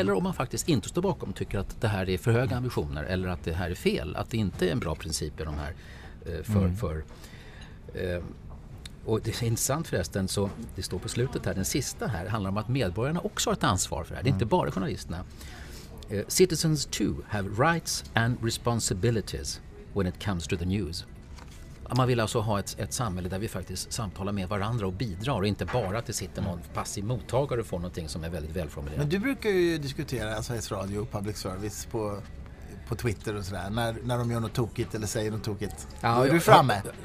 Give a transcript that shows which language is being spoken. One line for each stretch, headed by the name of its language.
Swedish: Eller om man faktiskt inte står bakom och tycker att det här är för höga ambitioner eller att det här är fel, att det inte är en bra princip i de här för och det är intressant förresten, så det står på slutet här, den sista här handlar om att medborgarna också har ett ansvar för det här. Det är inte bara journalisterna.
English: Citizens too have rights and responsibilities when it comes to the news.
Swedish: Man vill alltså ha ett samhälle där vi faktiskt samtalar med varandra och bidrar och inte bara att det sitter någon passiv mottagare och får någonting som är väldigt välformulerat. Men du brukar ju diskutera Sveriges Radio och public service på Twitter och sådär, när de gör något tokigt eller säger något tokigt. Ja, är du framme?